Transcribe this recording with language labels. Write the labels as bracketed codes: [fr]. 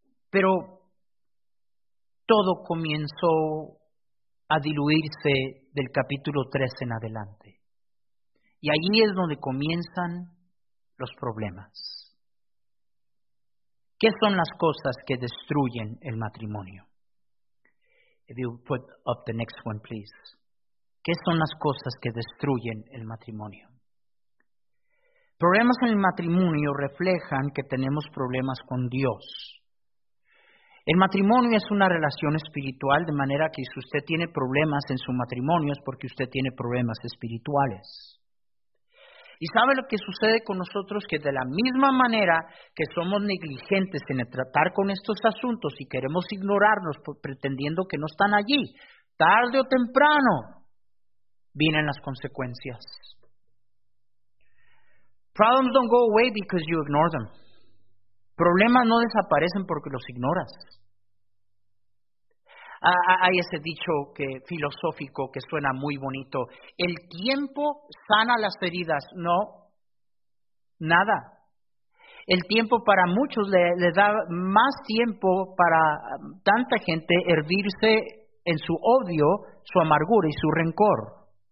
[es] Pero todo comenzó a diluirse del capítulo 3 en adelante. Y ahí es donde comienzan los problemas. ¿Qué son las cosas que destruyen el matrimonio? [en] If you put up the next one, please. [es] ¿Qué son las cosas que destruyen el matrimonio? Problemas en el matrimonio reflejan que tenemos problemas con Dios. El matrimonio es una relación espiritual, de manera que si usted tiene problemas en su matrimonio es porque usted tiene problemas espirituales. ¿Y sabe lo que sucede con nosotros? Que de la misma manera que somos negligentes en tratar con estos asuntos y queremos ignorarlos pretendiendo que no están allí, tarde o temprano vienen las consecuencias. [en] Problems don't go away because you ignore them. [es] Problemas no desaparecen porque los ignoras. Hay ese dicho que, filosófico que suena muy bonito. El tiempo sana las heridas. No, nada. El tiempo para muchos le da más tiempo para tanta gente hervirse en su odio, su amargura y su rencor.